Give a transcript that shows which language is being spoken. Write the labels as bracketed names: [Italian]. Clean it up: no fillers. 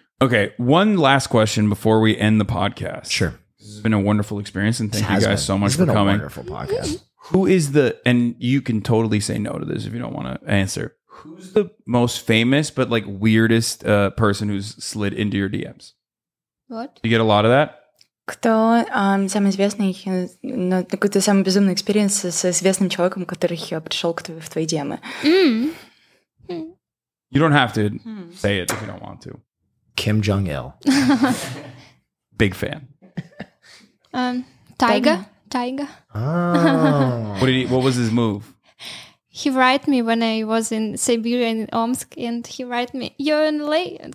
[English] Okay, one last question before we end the podcast. Sure. This has been a wonderful experience, and thank you guys so much for coming. It's been a wonderful podcast. Who is the, and you can totally say no to this if you don't want to answer, who's the most famous but like weirdest person who's slid into your DMs? What? You get a lot of that? [Russian] Кто самый известный, какой-то самый безумный экспириенс с известным человеком, который пришел к тебе в твои DMы? [English] You don't have to say it if you don't want to. Kim Jong-il. Big fan. Tiger. Tiger. Oh. What was his move? He write me when I was in Siberia in Omsk, and he write me, "You're in LA."